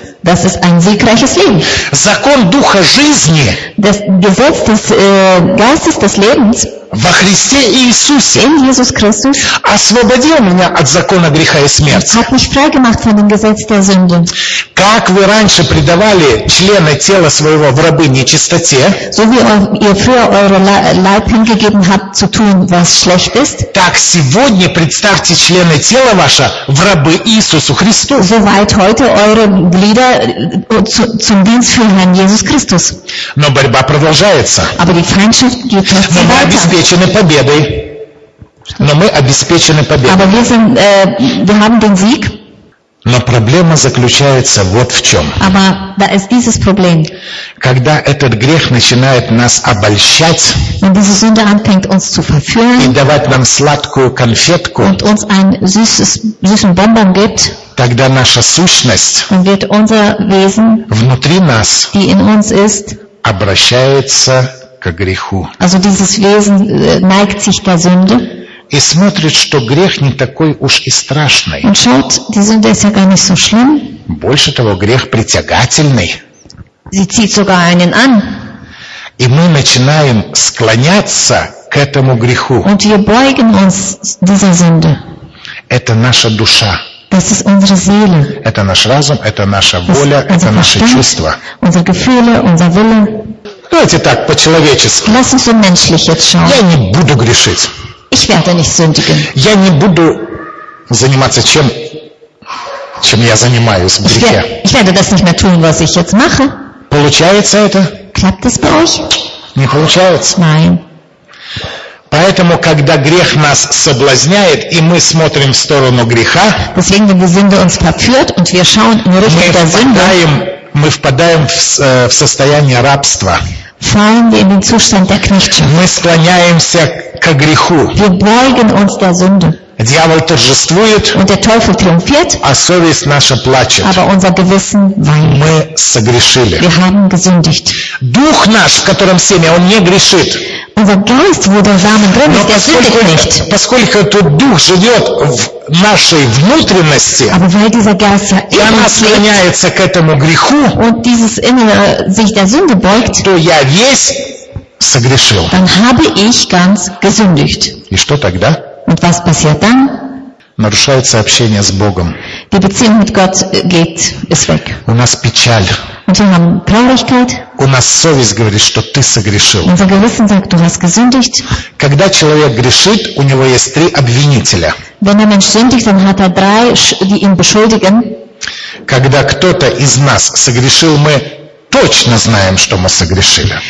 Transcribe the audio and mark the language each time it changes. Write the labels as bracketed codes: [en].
[de] Das ist ein siegreiches Leben. [ru] Закон духа жизни. [de] Das Gesetz des Geistes des Lebens. [ru] Во Христе Иисусе. [de] In Jesus Christus. [ru] Освободил меня от закона греха и смерти. [de] Hat mich frei gemacht von dem Gesetz der Sünde. [ru] Как вы раньше предавали члены тела своего в рабы нечистоте? [de] So wie ihr früher eure Leib hingegeben habt zu tun, was schlecht ist. [ru] Так сегодня представьте члены тела ваше в рабы Иисусу Христу. [de] So weit heute eure Glieder zum Dienst für Herrn Jesus Christus. [ru] Но борьба продолжается. [de] Aber die Feindschaft geht trotzdem weiter. [ru] Но мы обеспечены победой. Но мы обеспечены победой. [de] Aber wir sind, wir haben den Sieg. [ru] Но проблема заключается вот в чем. [de] Aber da ist dieses Problem. [ru] Когда этот грех начинает нас обольщать [de] und diese Sünde anfängt, uns zu verführen, [ru] и давать нам сладкую конфетку, [de] und uns ein süßes, süßen Bonbon gibt, [ru] тогда наша сущность [de] und wird unser Wesen, [ru] внутри нас [de] die in uns ist, [ru] обращается к греху. [de] Also dieses Wesen neigt sich der Sünde. [ru] И смотрит, что грех не такой уж и страшный. [de] Und schaut, die Sünde ist ja gar nicht so schlimm. [ru] Больше того, грех притягательный. [de] Sie zieht sogar einen an. [ru] И мы начинаем склоняться к этому греху. [de] Und wir beugen uns dieser Sünde. [ru] Это наша душа. [de] Das ist unsere Seele. [ru] Это наш разум, это наша воля, это наши чувства. [de] Unsere Gefühle, unser Wille. [ru] Давайте так, по-человечески. [de] Lass uns so menschlich jetzt schauen. [ru] Я не буду грешить. [de] Ich werde nicht sündigen. [ru] Я не буду заниматься чем, чем я занимаюсь в грехе. [de] Ich werde das nicht mehr tun, was ich jetzt mache. [ru] Получается это? [de] Klappt das bei euch? [ru] Не получается. [de] Nein. [ru] Поэтому, когда грех нас соблазняет, и мы смотрим в сторону греха, [de] deswegen, wenn die Sünde uns verführt und wir schauen in Richtung der Sünde, [ru] мы впадаем в состояние рабства. [de] Fallen wir in den Zustand der Knechtschaft. [ru] Мы склоняемся к греху. [de] Wir beugen uns der Sünde. [ru] Дьявол торжествует. [de] Und der Teufel triumphiert. [ru] А совесть наша плачет. [de] Aber unser Gewissen weint. [ru] Мы согрешили. [de] Wir haben gesündigt. [ru] Дух наш, в котором семя, он не грешит. [de] Unser Geist, wo der Samen drin ist, der sündigt nicht. [ru] Поскольку этот дух живет в нашей внутренности, [de] aber weil dieser Geist ja [ru] и она склоняется к этому греху, [de] und dieses innere sich der Sünde beugt, [ru] то я весь согрешил. [de] Dann habe ich ganz gesündigt. [ru] И что тогда? [de] Und was passiert dann? [ru] Нарушается общение с Богом. [de] Die Beziehung mit Gott geht, ist weg. [ru] У нас печаль. [de] Und wir haben Traurigkeit. [ru] У нас совесть говорит, что ты согрешил. [de] Unser Gewissen sagt, du hast gesündigt. [ru] Когда человек грешит, у него есть три обвинителя. [de] Wenn ein Mensch sündigt, dann hat drei, die ihn beschuldigen. [ru] Когда кто-то из нас согрешил, мы точно знаем, что мы согрешили.